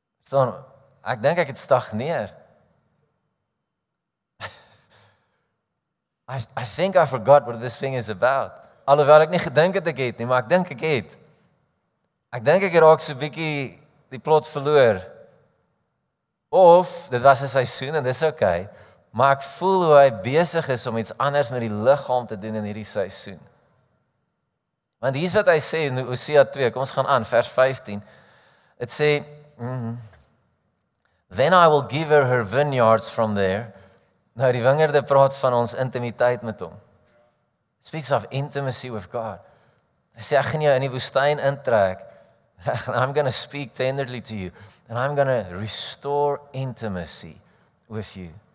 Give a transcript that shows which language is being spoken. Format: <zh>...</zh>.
<af>Dan, ek denk ek het stagneer.</af> <en>I think I forgot what this thing is about.</en> <af>Alhoewel ek nie gedink het ek het nie, maar ek dink ek het. Ek dink ek raak so bietjie die plot verloor. Of, dit was 'n seisoen en dis okay, maar ek voel hoe hy besig is om iets anders met die liggaam te doen in hierdie seisoen. Want hier is wat hy sê in Hosea 2, kom ons gaan aan, vers 15. Het sê,</af> <en>then I will give her vineyards from there.</en> <af>Nou, die wingerde praat van ons intimiteit met hom.</af> <en>It speaks of intimacy with God.</en> <af>Hy sê, ek gaan jou in die woestijn intrek,</af> <en>and I'm going to speak tenderly to you, and I'm going to restore intimacy with you.</en>